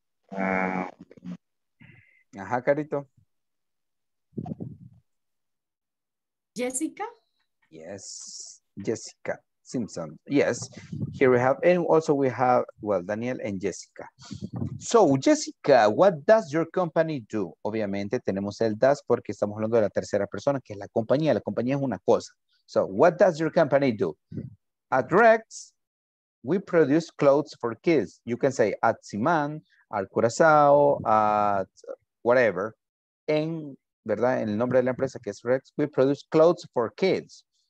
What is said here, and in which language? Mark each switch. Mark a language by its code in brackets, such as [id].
[es] Ajá, Carito. Jessica. [en] Yes, Jessica Simpson. Yes, here we have, and also we have, well, Daniel and Jessica. So, Jessica, what does your company do? [es] Obviamente, tenemos el does porque estamos hablando de la tercera persona, que es la compañía. La compañía es una cosa. [en] So, what does your company do? At Rex, we produce clothes for kids. You can say at Simán, al Curazao, at whatever. [es] En, ¿verdad? En el nombre de la empresa que es Rex, [en] we produce clothes for kids.